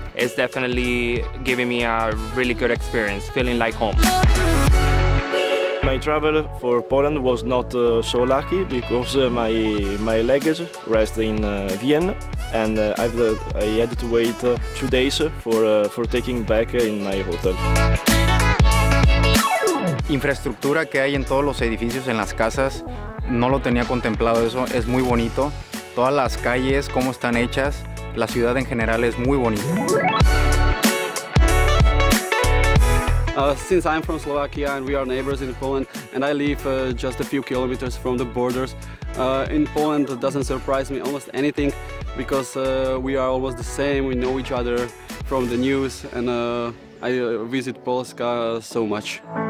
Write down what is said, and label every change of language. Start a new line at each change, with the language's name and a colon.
English: It's definitely giving me a really good experience, feeling like home. My travel for Poland was not so lucky because my luggage rest in Vienna, and I had to wait 2 days for taking back in my hotel.
Spanish: Infraestructura que hay en todos los edificios, en las casas, no lo tenía contemplado eso, es muy bonito. Todas las calles, cómo están hechas, la ciudad en general es muy bonita.
English: Since I'm from Slovakia and we are neighbors in Poland, and I live just a few kilometers from the borders, in Poland it doesn't surprise me almost anything, because we are almost the same, we know each other from the news, and I visit Polska so much.